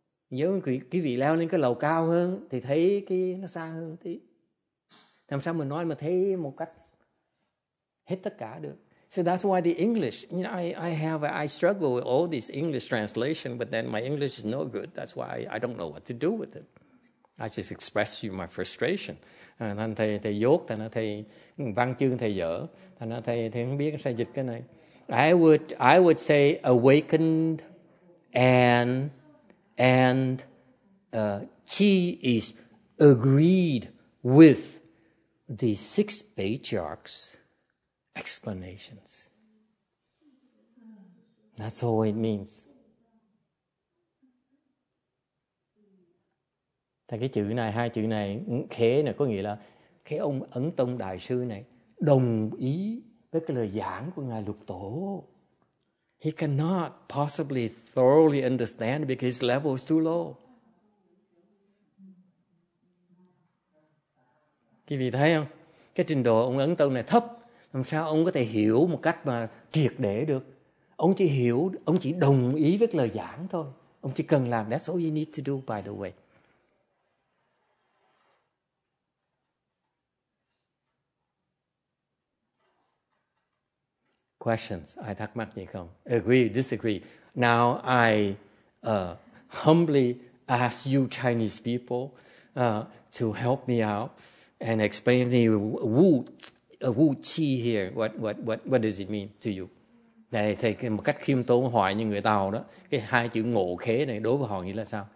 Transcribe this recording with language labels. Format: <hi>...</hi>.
<vi>Nếu quý vị leo lên cái lầu cao hơn thì thấy cái nó xa hơn tí. Làm sao mình nói mà thấy một cách hết tất cả được?</vi> <en>So that's why the English, you know, I struggle with all this English translation, but then my English is no good. That's why I don't know what to do with it. I just express you my frustration.</en> <vi>Thành thầy dốt, thành thầy văn chương thầy dở, thành thầy không biết sao dịch cái này.</vi> <en>I would say awakened and she is agreed with the six patriarchs' explanations. That's all it means.</en> <vi>Thì cái chữ này, hai chữ này, khế này có nghĩa là cái ông Ấn Tông Đại Sư này đồng ý với cái lời giảng của Ngài Lục Tổ.</vi> <en>He cannot possibly thoroughly understand because his level is too low.</en> <vi>Quý vị thấy không? Cái trình độ ông Ấn Tông này thấp. Làm sao ông có thể hiểu một cách mà triệt để được? Ông chỉ hiểu, ông chỉ đồng ý với cái lời giảng thôi. Ông chỉ cần làm.</vi> <en>That's all you need to do, by the way. Questions?</en> <vi>Ai thắc mắc gì không?</vi> <en>Agree, disagree. Now I humbly ask you Chinese people to help me out and explain to you wu qi here. What does it mean to you?</en> <vi>Đây thầy một cách khiêm tốn hỏi như người Tàu đó. Cái hai chữ ngộ khế này đối với họ nghĩa là sao?</vi>